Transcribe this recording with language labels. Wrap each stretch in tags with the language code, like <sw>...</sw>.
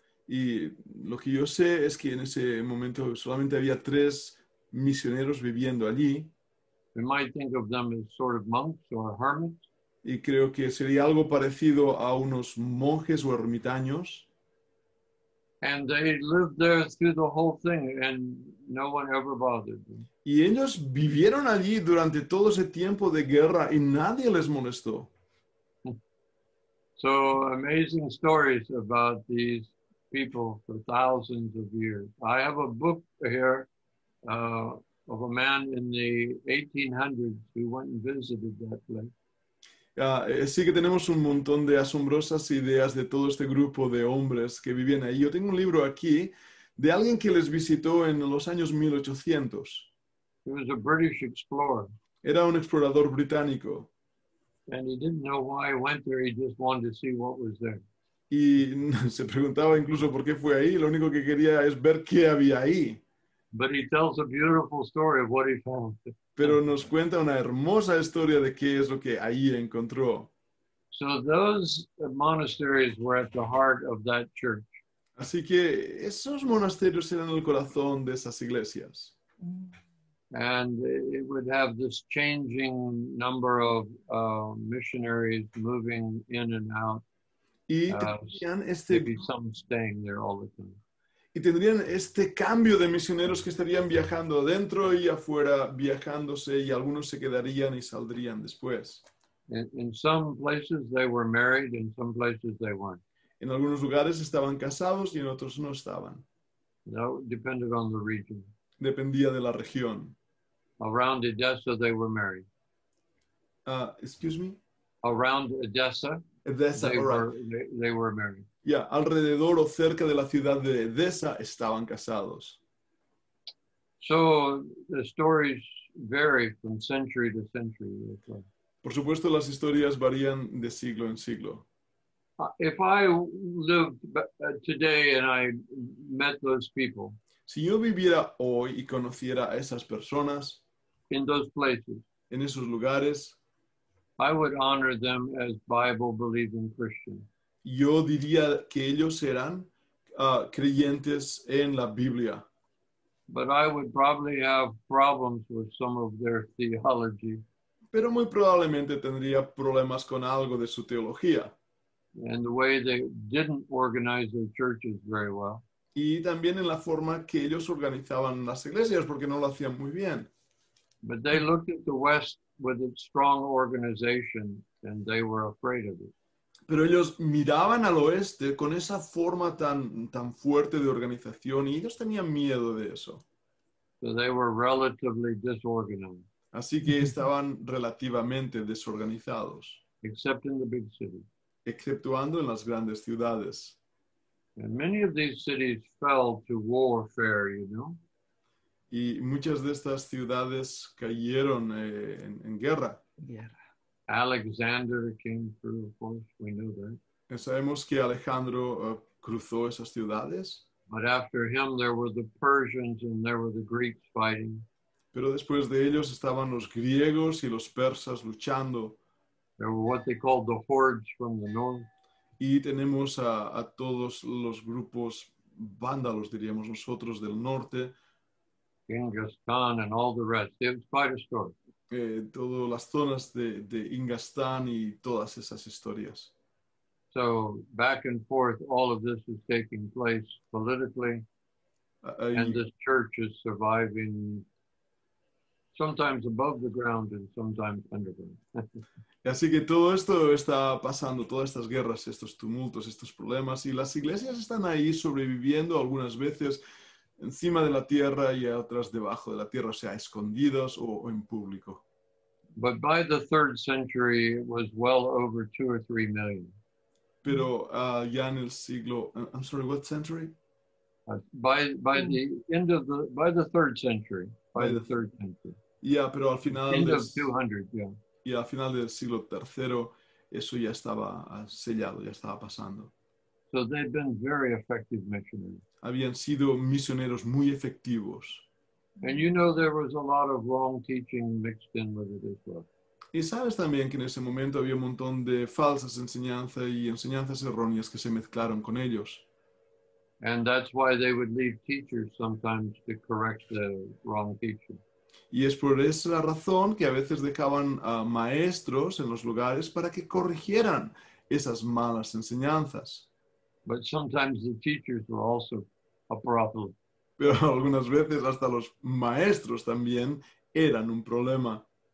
<es>Y lo que yo sé es que en ese momento solamente había 3 misioneros viviendo allí.</es> <en>We might think of them as sort of monks or hermits.</en> <es>Y creo que sería algo parecido a unos monjes o ermitaños.</es> <en>And they lived there through the whole thing, and no one ever bothered them.</en> <es>Y ellos vivieron allí durante todo ese tiempo de guerra y nadie les molestó.</es> <en>So amazing stories about these people for thousands of years. I have a book here of a man in the 1800s who went and visited that place.</en> <es>Sí que tenemos un montón de asombrosas ideas de todo este grupo de hombres que vivían ahí. Yo tengo un libro aquí de alguien que les visitó en los años 1800.</es> <en>He was a British explorer.</en> <es>Era un explorador británico.</es> <en>And he didn't know why he went there, he just wanted to see what was there.</en> <es>Y se preguntaba incluso por qué fue ahí, lo único que quería es ver qué había ahí.</es> <en>But he tells a beautiful story of what he found.</en> <es>Pero nos cuenta una hermosa historia de qué es lo que ahí encontró.</es> <en>So those monasteries were at the heart of that church.</en> <es>Así que esos monasterios eran el corazón de esas iglesias.</es> <en>And it would have this changing number of missionaries moving in and out.</en> <es>Y tendrían este...</es> <en>Maybe some staying there all the time.</en> <es>Y tendrían este cambio de misioneros que estarían viajando adentro y afuera, viajándose, y algunos se quedarían y saldrían después.</es> <en>In some places they were married, in some places they weren't.</en> <es>En algunos lugares estaban casados y en otros no estaban.</es> <en>No, depended on the region.</en> <es>Dependía de la región.</es> <en>Around Edessa they were married. Excuse me? Around Edessa. Edessa, they were married.</en> <es>Ya, alrededor o cerca de la ciudad de Edessa estaban casados.</es> <en>So, the stories vary from century to century.</en> <es>Por supuesto, las historias varían de siglo en siglo.</es> <en>If I lived today and I met those people,</en> <es>si yo viviera hoy y conociera a esas personas,</es> <en>in those places,</en> <es>en esos lugares,</es> <en>I would honor them as Bible-believing Christians.</en> <es>Yo diría que ellos eran creyentes en la Biblia.</es> <en>But I would probably have problems with some of their theology.</en> <es>Pero muy probablemente tendría problemas con algo de su teología.</es> <en>And the way they didn't organize their churches very well.</en> <es>Y también en la forma que ellos organizaban las iglesias, porque no lo hacían muy bien.</es> <en>But they looked at the West with its strong organization, and they were afraid of it.</en> <es>Pero ellos miraban al oeste con esa forma tan, tan fuerte de organización y ellos tenían miedo de eso.</es> <en>So they were relatively disorganized.</en> <es>Así que estaban relativamente desorganizados.</es> <en>Except in the big city.</en> <es>Exceptuando en las grandes ciudades.</es> <en>And many of these cities fell to warfare, you know.</en> <es>Y muchas de estas ciudades cayeron en guerra. Guerra.</es> <en>Alexander came through, of course, we know that.</en> <es>Sabemos que Alejandro cruzó esas ciudades.</es> <en>But after him there were the Persians and there were the Greeks fighting.</en> <es>Pero después de ellos estaban los griegos y los persas luchando.</es> <en>There were what they called the hordes from the north.</en> <es>Y tenemos a todos los grupos vándalos, diríamos nosotros, del norte.</es> <en>Genghis Khan and all the rest. It was quite a story.</en> <es>Todas las zonas de Ingastán y todas esas historias.</es> <en>So, back and forth, all of this is taking place politically. And this church is surviving sometimes above the ground and sometimes underground.</en> <es>Así que todo esto está pasando, todas estas guerras, estos tumultos, estos problemas, y las iglesias están ahí sobreviviendo algunas veces encima de la tierra y otras debajo de la tierra, o sea, escondidas o en público.</es> <en>But by the third century, it was well over 2 or 3 million.</en> <es>Pero ya en el siglo,</es> <en>I'm sorry, what century? By the third century.</en> <es>Yeah, pero al final.</es> <en>End of 200, yeah.</en> <es>Y al final del siglo III, eso ya estaba sellado, ya estaba pasando.</es> <en>So they've been very effective missionaries.</en> <es>Habían sido misioneros muy efectivos.</es> <en>And you know there was a lot of wrong teaching mixed in with it as well.</en> <es>Y sabes también que en ese momento había un montón de falsas enseñanzas y enseñanzas erróneas que se mezclaron con ellos.</es> <en>And that's why they would leave teachers sometimes to correct the wrong teaching.</en> <es>Y es por esa razón que a veces dejaban maestros en los lugares para que corrigieran esas malas enseñanzas.</es> <en>But sometimes the teachers were also a problem.</en> <es>Pero algunas veces hasta los maestros también eran un problema.</es>